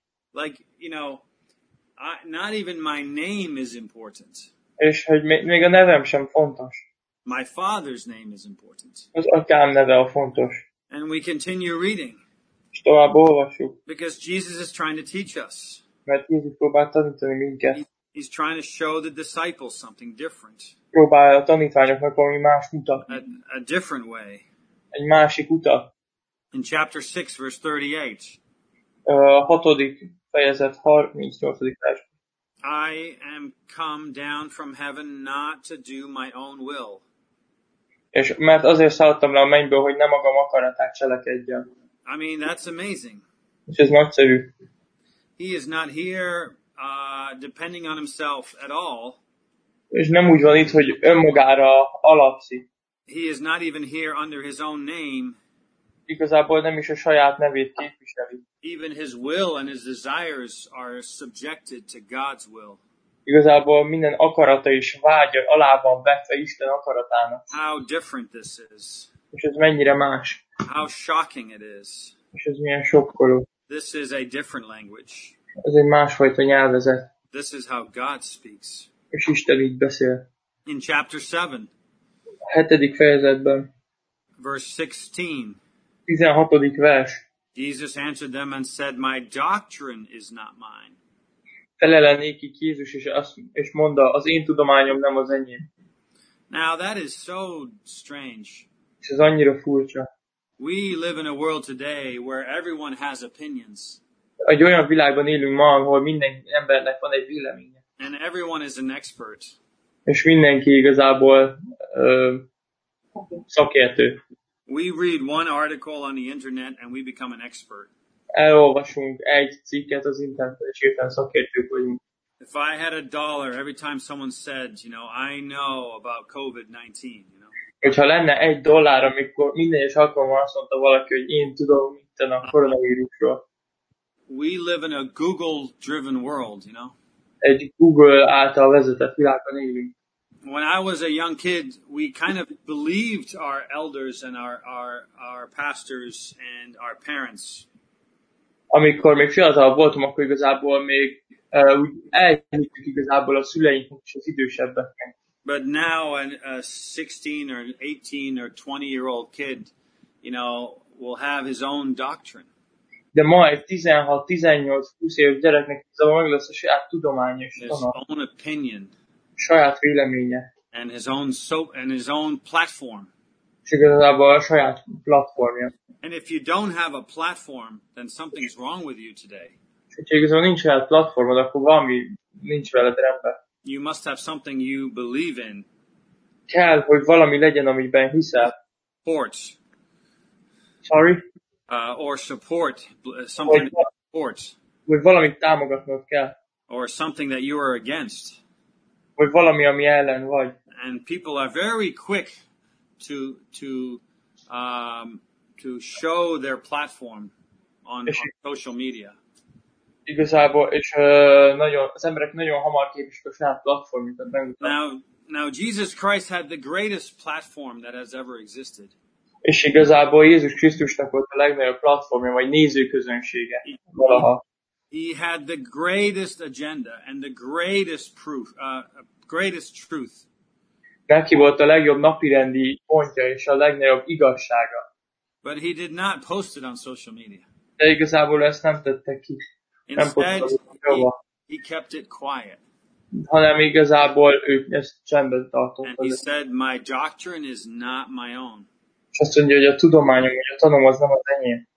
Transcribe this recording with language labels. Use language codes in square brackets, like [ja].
[en] Like, you know, not even my name is important. [hu] És hogy még a nevem sem fontos. [en] My Father's name is important. [hu] Az atyám neve a fontos. [en] And we continue reading. [hu] És tovább olvassuk. [en] Because Jesus is trying to teach us. [hu] Mert Jézus próbál tanítani minket. [en] He's trying to show the disciples something different. [hu] Próbál a tanítványoknak valami más mutatni. [en] A different way. [hu] Egy másik utat. [en] In chapter 6, verse 38. [hu] Hatodik fejezet, 38. vers. [en] I am come down from heaven not to do my own will. [hu] És mert azért szálltam le a mennyből, hogy ne magam akaratát cselekedjem. [en] I mean, that's amazing. [hu] És ez nagyszerű. [en] He is not here depending on himself at all. [hu] És nem úgy van itt, hogy önmagára alapszik. [en] He is not even here under his own name. [hu] Igazából nem is a saját nevét képviseli. [en] Even his will and his desires are subjected to God's will. [hu] Igazából minden akarata és vágya alá van vetve Isten akaratának. [en] How different this is. [hu] És ez mennyire más. [en] How shocking it is. [hu] És ez milyen sokkoló. [en] This is a different language. [hu] Ez egy másfajta nyelvezet. [en] This is how God speaks. [hu] És Isten így beszél. [en] In chapter 7. [hu] A hetedik fejezetben. [en] Verse 16. [hu] 16. vers. [en] Jesus answered them and said, my doctrine is not mine. [hu] Felele nékik Jézus, és mondta, az én tudományom nem az enyém. [en] Now that is so strange. [hu] És ez annyira furcsa. [en] We live in a world today where everyone has opinions. [hu] Egy olyan világban élünk ma, ahol minden embernek van egy véleménye. [en] And everyone is an expert. [hu] És mindenki igazából szakértő. [en] We read one article on the internet and we become an expert. [hu] Elolvasunk egy cikket az interneten, és hirtelen szakértők vagyunk. [en] If I had a dollar every time someone said, you know, I know about COVID-19, you know. [hu] Hogyha lenne egy dollár, amikor minden egyes alkalommal azt mondta valaki, hogy én tudom minden a koronavírusról. [en] We live in a Google-driven world, you know. [hu] Egy Google által vezetett világban élünk. [en] When I was a young kid, we kind of believed our elders and our pastors and our parents. [hu] Amikor még fiatal voltam, akkor igazából még elhittük igazából a szüleinknek és az idősebbeknek. [en] But now a 16 or 18 or 20-year-old kid, you know, will have his own doctrine. [hu] De ma egy 16, 18, 20 éves gyereknek meg lesz a saját tudománya. [en] His own opinion. [hu] Saját véleménye. [en] And his own soap and his own platform. [hu] És igazából a saját platformja. [en] And if you don't have a platform, then something's wrong with you today. [hu] És hogyha igazából nincs saját platformod, akkor valami nincs veled rendben. [en] You must have something you believe in. [hu] Kell, hogy valami legyen, amiben hiszel. [en] Support. Sorry? Or support. Something that supports. [hu] Hogy valamit támogatnod kell. [en] Or something that you are against. [hu] Vagy valami, ami ellen vagy. [en] And people are very quick to show their platform on social media. [hu] Igazából, és az emberek nagyon hamar képesek a saját platformjukat megmutatni. [en] Now Jesus Christ had the greatest platform that has ever existed. [hu] És igazából Jézus Krisztusnak volt a legnagyobb platformja, vagy nézőközönsége valaha. [en] He had the greatest agenda and the greatest proof, greatest truth. [hu] Neki volt a legjobb napirendi pontja és a legnagyobb igazsága. [en] But he did not post it on social media. [hu] De igazából ezt nem tette ki. [en] Instead, he kept it quiet. [hu] Hanem igazából ő ezt csendben tartotta. [en] And he said, my doctrine is not my own. [hu] És azt mondja, hogy a tudományom, hogy a tanom az nem az enyém.